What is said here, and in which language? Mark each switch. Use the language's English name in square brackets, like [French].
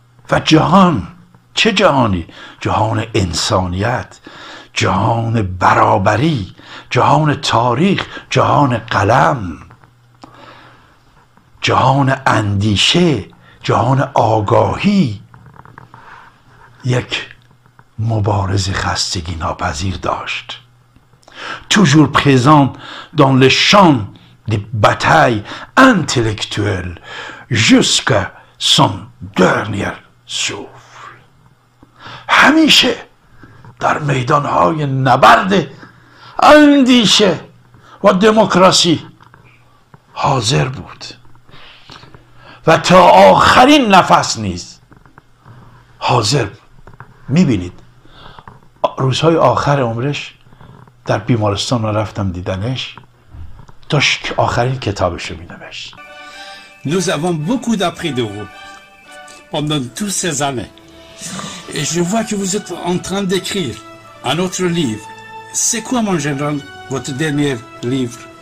[Persian] و جهان، چه جهانی؟ جهان انسانیت، جهان برابری، جهان تاریخ، جهان قلم، جهان اندیشه، جهان آگاهی، یک مبارز خستگی ناپذیر داشت. [French] Toujours présent dans le champ des batailles intellectuelles jusqu'à son dernier souffle. [Persian] همیشه در میدان‌های نبرد اندیشه و دموکراسی حاضر بود و تا آخرین نفس نیز حاضر بود. میبینید روزهای آخر عمرش در بیمارستان را رفتم دیدنش، داشت آخرین کتابش رو مینوشت. [French] Nous avons beaucoup appris de vous pendant toutes ces années et je vois que vous êtes en train d'écrire un autre livre. C'est quoi, mon général, votre dernier livre?